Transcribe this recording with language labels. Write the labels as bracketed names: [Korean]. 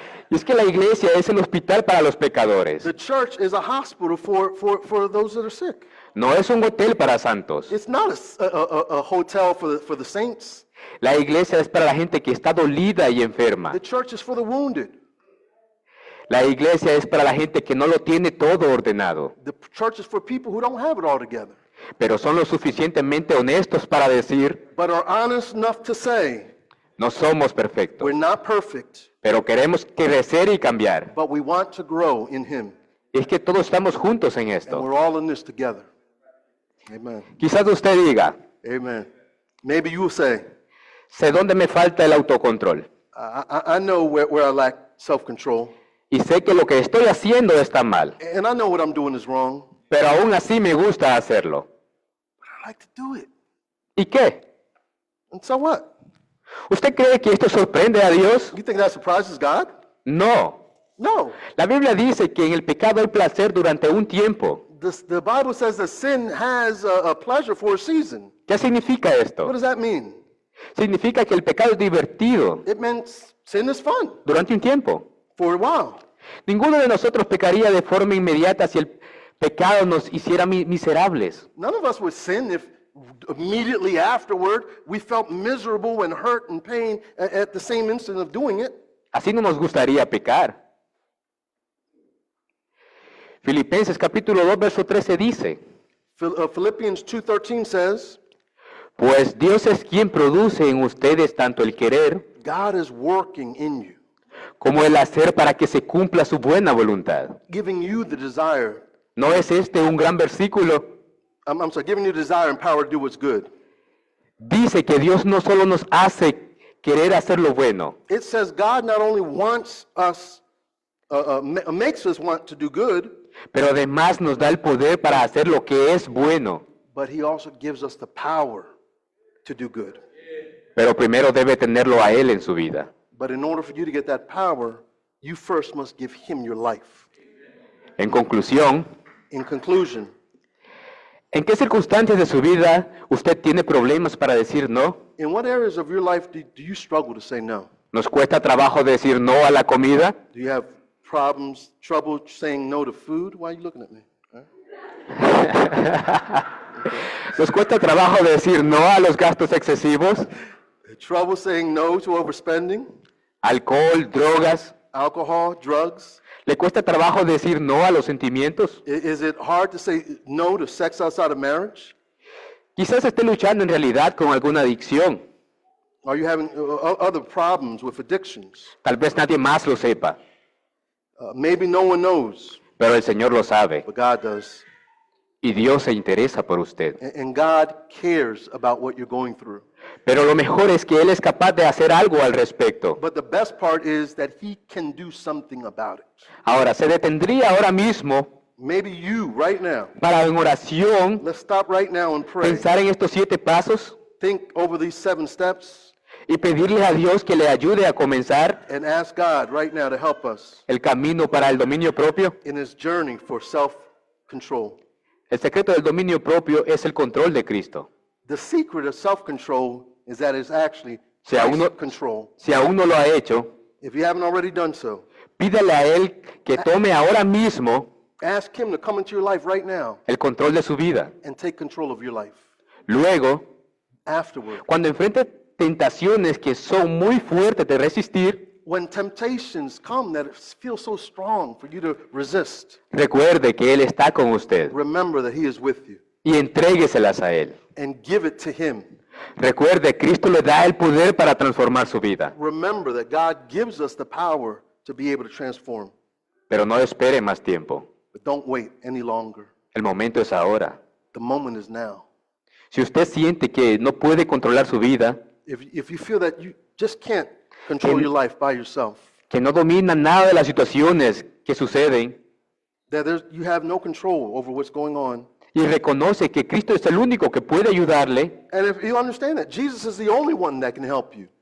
[Spanish] Y es que la iglesia es el hospital para los pecadores. [English] The church is a hospital for those that are sick. [Spanish] No es un hotel para santos. [English] It's not a hotel for the saints. [Spanish] La iglesia es para la gente que está dolida y enferma. [English] The church is for the wounded. [Spanish] La iglesia es para la gente que no lo tiene todo ordenado. [English] The church is for people who don't have it all together. [Spanish] Pero son lo suficientemente honestos para decir, [English] but are honest enough to say, [Spanish] no somos perfectos. [English] We're not perfect. [Spanish] Pero queremos crecer y cambiar. [English] But we want to grow in Him. [Spanish] Es que todos estamos juntos en esto. [English] And we're all in this together. Amen. [Spanish] Quizás usted diga, [English] amen. Maybe you will say, [Spanish] sé dónde me falta el autocontrol. [English] I know where I lack self-control. [Spanish] Y sé que lo que estoy haciendo está mal. [English] And I know what I'm doing is wrong. [Spanish] Pero aún así me gusta hacerlo. [English] But I like to do it. [Spanish] ¿Y qué? [English] And so what? [Spanish] ¿Usted cree que esto sorprende a Dios? [English] You think that surprises God? [Spanish] No. [English] No. [Spanish] La Biblia dice que en el pecado hay placer durante un tiempo. [English] The Bible says that sin has a pleasure for a season. [Spanish] ¿Qué significa esto? [English] What does that mean? [Spanish] Significa que el pecado es divertido. [English] It means sin is fun. [Spanish] Durante un tiempo. [English] For a while. [Spanish] Ninguno de nosotros pecaría de forma inmediata si el pecado nos hiciera miserables. [English] None of us would sin if immediately afterward we felt miserable and hurt and pain at the same instant of doing it. [Spanish] Así no nos gustaría pecar. Filipenses capítulo 2 verso 13 dice. [English] Philippians 2:13 says. [Spanish] Pues Dios es quien produce en ustedes tanto el querer. [English] God is working in you. [Spanish] Como el hacer para que se cumpla su buena voluntad. [English] Giving you the desire. [Spanish] ¿No es este un gran versículo? [English] I'm sorry, giving you desire and power to do what's good. [Spanish] Dice que Dios no solo nos hace querer hacer lo bueno. [English] It says God not only wants us, makes us want to do good. [Spanish] Pero además nos da el poder para hacer lo que es bueno. [English] But he also gives us the power to do good. [Spanish] Pero primero debe tenerlo a él en su vida. [English] But in order for you to get that power, you first must give him your life. [Spanish] En conclusión, [English] in conclusion, [Spanish] ¿en qué circunstancias de su vida usted tiene problemas para decir no? [English] In what areas of your life do you struggle to say no? [Spanish] ¿Nos cuesta trabajo decir no a la comida? [English] Do you have problems, trouble saying no to food? Why are you looking at me? [Spanish] ¿Nos cuesta trabajo decir no a los gastos excesivos? [English] Trouble saying no to overspending? [Spanish] Alcohol, drogas. [English] Alcohol, drugs. [Spanish] ¿Le cuesta trabajo decir no a los sentimientos? [English] Is it hard to say no to sex outside of marriage? [Spanish] Quizás esté luchando en realidad con alguna adicción. [English] Are you having other problems with addictions? [Spanish] Tal vez nadie más lo sepa. [English] Maybe no one knows. [Spanish] Pero el Señor lo sabe. [English] But God does. [Spanish] Y Dios se interesa por usted. [English] And God cares about what you're going through. [Spanish] Pero lo mejor es que Él es capaz de hacer algo al respecto. [English] But the best part is that he can do something about it. [Spanish] Ahora, se detendría ahora mismo. [English] Maybe you, right now. [Spanish] Para en oración. [English] Let's stop right now and pray. [Spanish] Pensar en estos 7 pasos. [English] Think over these 7 steps. [Spanish] Y pedirle a Dios que le ayude a comenzar. [English] And ask God right now to help us. [Spanish] El camino para el dominio propio. [English] In his journey for self-control. [Spanish] El secreto del dominio propio es el control de Cristo. [English] The secret of self-control is that it's actually [Spanish] self-control. Si aún no lo ha hecho, [English] if you haven't already done so, [Spanish] pídale a él que tome ahora mismo, [English] ask him to come into your life right now, [Spanish] el control de su vida, [English] and take control of your life. [Spanish] Luego, [English] afterward, [Spanish] cuando enfrente tentaciones que son muy fuertes de resistir, [English] when temptations come that feel so strong for you to resist, [Spanish] recuerde que él está con usted. [English] Remember that he is with you. [Spanish] Y entrégueselas a él. [English] And give it to him. [Spanish] Recuerde, Cristo le da el poder para transformar su vida. [English] Remember that God gives us the power to be able to transform. [Spanish] Pero no espere más tiempo. [English] But don't wait any longer. [Spanish] El momento es ahora. [English] The moment is now. [Spanish] Si usted siente que no puede controlar su vida, [English] if you feel that you just can't control your life by yourself, [Spanish] que no domina nada de las situaciones que suceden, [English] that you have no control over what's going on, [Spanish] y reconoce que Cristo es el único que puede ayudarle. [English] And if you understand that, Jesus is the only one that can help you.